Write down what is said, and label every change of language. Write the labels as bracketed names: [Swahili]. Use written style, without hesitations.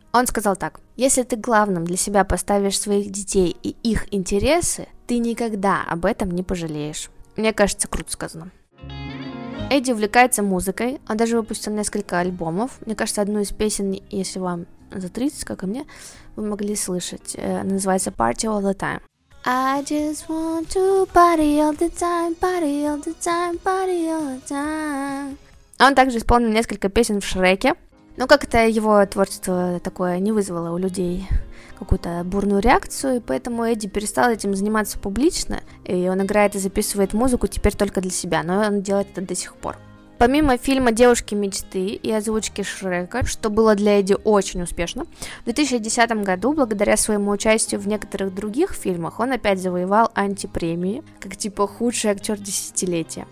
[Russian] Он сказал так: «Если ты главным для себя поставишь своих детей и их интересы, ты никогда об этом не пожалеешь». Мне кажется, круто сказано. Эдди увлекается музыкой, он даже выпустил несколько альбомов. Мне кажется, одну из песен, если вам за 30, как и мне, вы могли слышать. Называется [English] «Party All The Time». I just want to party all the time, party all the time, party all the time. [Russian] Он также исполнил несколько песен в Шреке, но как-то его творчество такое не вызвало у людей какую-то бурную реакцию, и поэтому Эдди перестал этим заниматься публично, и он играет и записывает музыку теперь только для себя, но он делает это до сих пор. Помимо фильма «Девушки мечты» и озвучки Шрека, что было для Эдди очень успешно, в 2010 году, благодаря своему участию в некоторых других фильмах, он опять завоевал антипремии, как типа худший актер десятилетия.